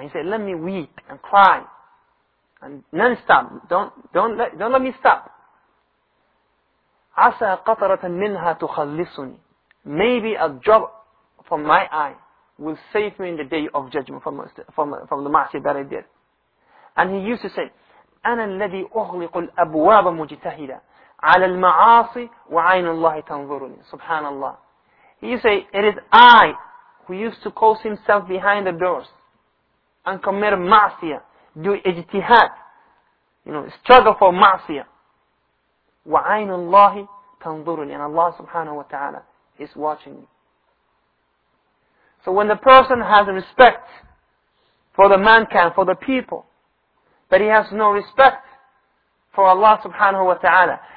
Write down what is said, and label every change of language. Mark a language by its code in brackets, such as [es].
[en] He said, "Let me weep and cry and non-stop. Don't let me stop. [ar] Asa qataratan minha tukhallisuni. [en] Maybe a drop from my eye will save me in the day of judgment from the ma'asiyah that I did." And he used to say, [ar] "أنا الذي أغلق الأبواب مجتهدا على المعاصي وعين الله تنظرني." Subhanallah. [en] He say, it is I who used to close himself behind the doors and commit ma'asiyah, do ijtihad, you know, struggle for ma'asiyah. [ar] وعين الله تنظرني. [en] And Allah subhanahu wa ta'ala is watching me. So when the person has respect for the mankind, for the people, but he has no respect for Allah subhanahu wa ta'ala.